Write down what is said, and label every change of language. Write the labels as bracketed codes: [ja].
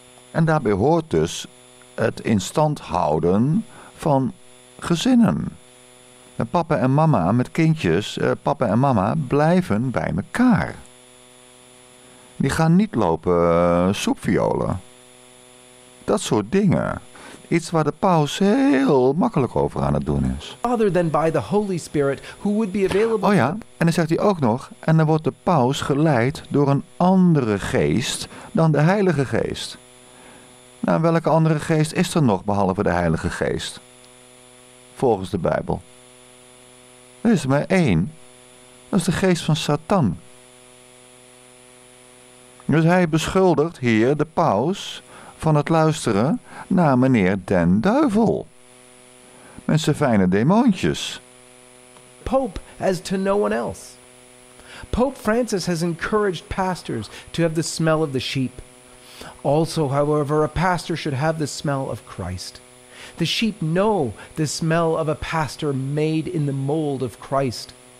[nl] En daarbij hoort dus het in stand houden van gezinnen. Papa en mama met kindjes, papa en mama blijven bij elkaar. Die gaan niet lopen soepviolen. Dat soort dingen. Iets waar de paus heel makkelijk over aan het doen is. [en] Other than by the Holy Spirit, who would be available... [nl] Oh ja, en dan zegt hij ook nog, en dan wordt de paus geleid door een andere geest dan de Heilige Geest. Nou, welke andere geest is er nog behalve de Heilige Geest? Volgens de Bijbel. Er is maar één. Dat is de geest van Satan. Dus hij beschuldigt hier de paus van het luisteren naar meneer den Duivel. Met zijn fijne demoontjes. [en] Pope as to no one else. Pope Francis has encouraged pastors to have the smell of the sheep. Also, however, a pastor should have the smell of Christ. The sheep know the smell of a pastor made in the mold of Christ.